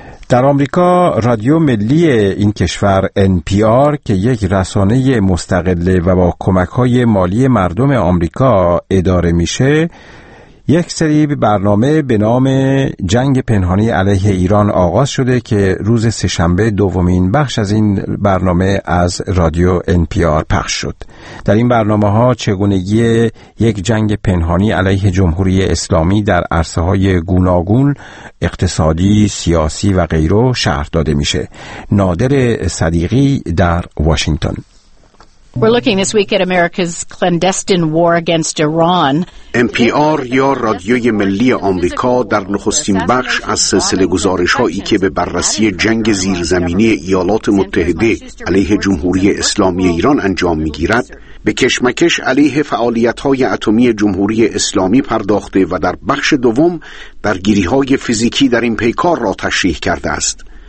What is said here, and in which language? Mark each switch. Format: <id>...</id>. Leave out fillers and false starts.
<fa>در آمریکا رادیو ملی این کشور NPR که یک رسانه مستقله و با کمک‌های مالی مردم آمریکا اداره میشه، یک سری برنامه به نام جنگ پنهانی علیه ایران آغاز شده که روز سه‌شنبه دومین بخش از این برنامه از رادیو NPR پخش شد. در این برنامه‌ها چگونگی یک جنگ پنهانی علیه جمهوری اسلامی در عرصه‌های گوناگون اقتصادی، سیاسی و غیره شرح داده میشه. نادر صدیقی در واشنگتن.</fa> <en>We're looking this week at America's clandestine war against Iran.</en> <fa>NPR یا رادیوی ملی آمریکا در نخستین بخش از سلسله گزارش‌هایی که به بررسی جنگ زیرزمینی ایالات متحده علیه جمهوری اسلامی ایران انجام می‌گیرد، به کشمکش علیه فعالیت‌های اتمی جمهوری اسلامی پرداخته و در بخش دوم درگیری‌های فیزیکی در این پیکار را تشریح کرده است.</fa>